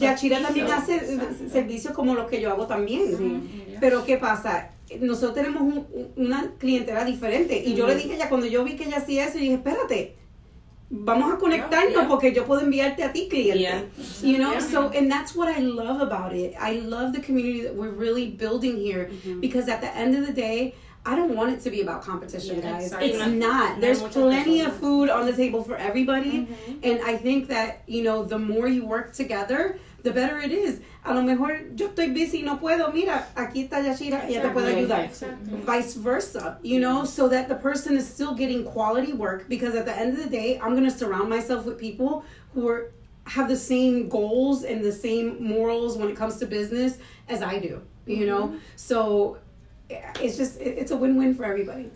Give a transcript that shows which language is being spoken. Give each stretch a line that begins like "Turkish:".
Spanish: Yashira también hace servicios como los que yo hago también. Sí. Pero ¿qué pasa? Nosotros tenemos una clientela diferente. Y yo le dije a ella, cuando yo vi que ella hacía eso, y dije, espérate, vamos a conectarnos porque yo puedo enviarte a ti, cliente.
English: Yeah. You know, so, and that's what I love about it. I love the community that we're really building here because at the end of the day, I don't want it to be about competition, guys. Exactly. It's not. There's plenty of food on the table for everybody. Mm-hmm. And I think that, you know, the more you work together, the better it is.
Spanish: A lo mejor yo estoy busy, no puedo. Mira, aquí está Yashira, ella te puede ayudar.
English: Exactly. Vice versa, you know, so that the person is still getting quality work, because at the end of the day, I'm going to surround myself with people who have the same goals and the same morals when it comes to business as I do, you know? So it's just, it's a win-win for everybody.